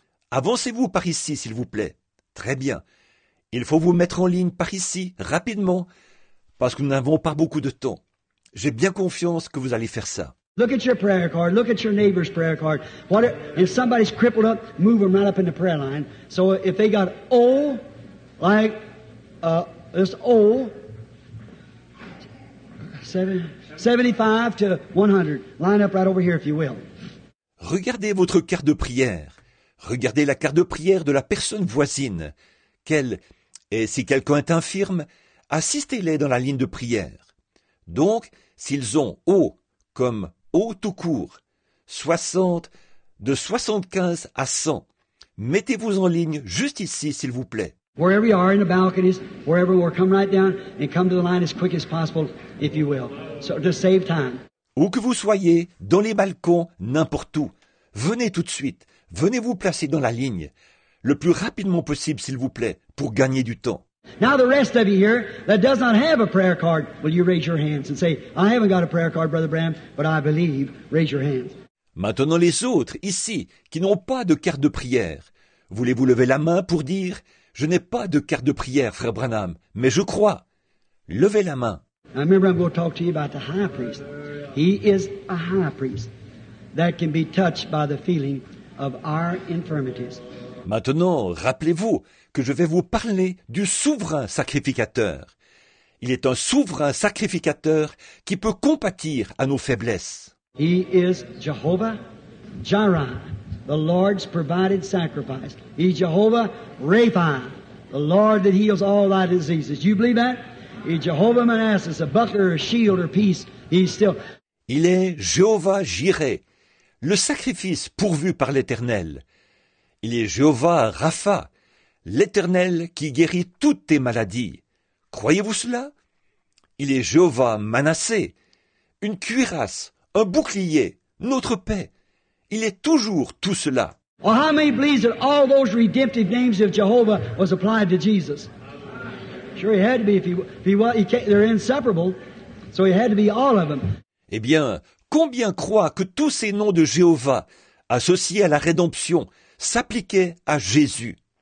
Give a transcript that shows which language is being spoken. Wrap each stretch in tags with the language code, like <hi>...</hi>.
<fr>Avancez-vous par ici, s'il vous plaît. Très bien. Il faut vous mettre en ligne par ici, rapidement, parce que nous n'avons pas beaucoup de temps. J'ai bien confiance que vous allez faire ça.</fr> <en>Look at your prayer card. Look at your neighbor's prayer card. What if somebody's crippled up, move them right up in the prayer line. So if they got O, like this O, 75 to 100, line up right over here if you will.</en> <fr>Regardez votre carte de prière. Regardez la carte de prière de la personne voisine. Quelle et si quelqu'un est infirme, assistez-les dans la ligne de prière. Donc, s'ils ont O comme O tout court, 60, de 75 à 100, mettez-vous en ligne juste ici, s'il vous plaît.</fr> <en>Wherever you are in the balconies, wherever you are, come right down and come to the line as quick as possible, if you will, so to save time.</en> <fr>Où que vous soyez, dans les balcons, n'importe où, venez tout de suite, venez vous placer dans la ligne, le plus rapidement possible, s'il vous plaît, pour gagner du temps.</fr> <en>Now the rest of you here that does not have a prayer card, will you raise your hands and say, I haven't got a prayer card, Brother Branham, but I believe, raise your hands.</en> <fr>Maintenant les autres, ici, qui n'ont pas de carte de prière, voulez-vous lever la main pour dire, je n'ai pas de carte de prière, Frère Branham, mais je crois. Levez la main.</fr> <en>I remember I'm going to talk to you about the high priest. He is a high priest that can be touched by the feeling of our infirmities.</en> <fr>Maintenant, rappelez-vous que je vais vous parler du souverain sacrificateur. Il est un souverain sacrificateur qui peut compatir à nos faiblesses.</fr> <en>He is Jehovah Jireh, the Lord's provided sacrifice. He is Jehovah Rapha, the Lord that heals all thy diseases. You believe that? He is Jehovah Manasseh, a buckler, a shield, or peace. He's still.</en> <fr>Il est Jehovah Jireh, le sacrifice pourvu par l'Éternel. Il est Jéhovah Rapha, l'Éternel qui guérit toutes tes maladies. Croyez-vous cela? Il est Jéhovah Manassé, une cuirasse, un bouclier, notre paix. Il est toujours tout cela.</fr> <en>Well, how many believe that all those redemptive names of Jehovah was applied to Jesus? Sure, he had to be they're inseparable, so he had to be all of them.</en> <fr>Eh bien, combien croient que tous ces noms de Jéhovah associés à la rédemption s'appliquait à Jésus.</fr>